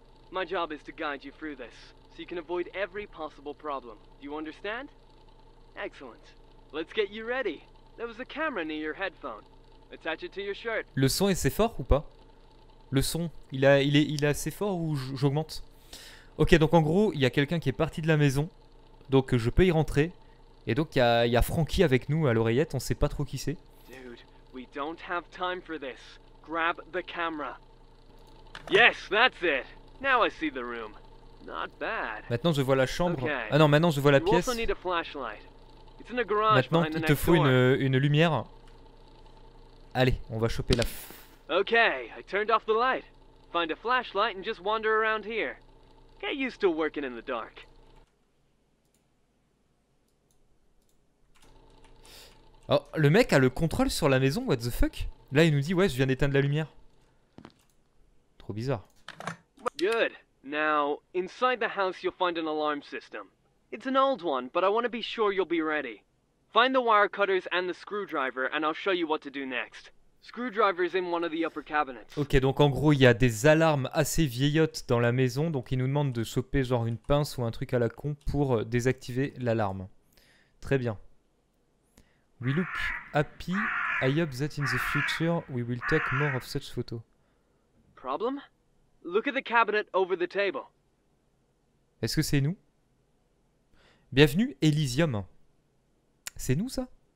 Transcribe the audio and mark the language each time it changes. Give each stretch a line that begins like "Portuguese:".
English: My job is to guide you through this, so you can avoid every possible problem. Do you understand? Excellent. Let's get you ready. There was a camera near your headphone. Attach it to your shirt.
French: Le son est assez fort ou pas? Le son, il est assez fort ou j'augmente? Ok, donc en gros, il y a quelqu'un qui est parti de la maison, donc je peux y rentrer. Et donc il y a Frankie avec nous à l'oreillette, on sait pas trop qui c'est.
English: Dude, we don't have time for this. Grab the camera. Yes, that's it. Now I see the room. Not bad.
French: Maintenant je vois la chambre. Okay. Ah non, maintenant je vois la pièce.
English: You also need a flashlight. It's in a garage.
French: Maintenant il te faut une lumière. Allez, on va choper la.
English: Okay, I turned off the light. Find a flashlight and just wander around here. Get used to working in the dark.
French: Oh, le mec a le contrôle sur la maison,
English: what the fuck?
French: Là, il nous dit ouais, je viens d'éteindre la lumière. Trop bizarre.
English: Good. Now, inside the house you'll find an alarm system. It's an old one, but I want to be sure you'll be ready. Find the wire cutters and the screwdriver and I'll show you what to do next. Screwdriver is in one of the upper cabinets.
French: Ok, donc en gros, il y a des alarmes assez vieillottes dans la maison, donc ils nous demandent de choper genre une pince ou un truc à la con pour désactiver l'alarme. Très bien.
English: We look happy. I hope that in the future we will take more of such photos. Problem? Look at the cabinet over the table.
French: Est-ce que c'est nous? Bienvenue Elysium. C'est nous ça?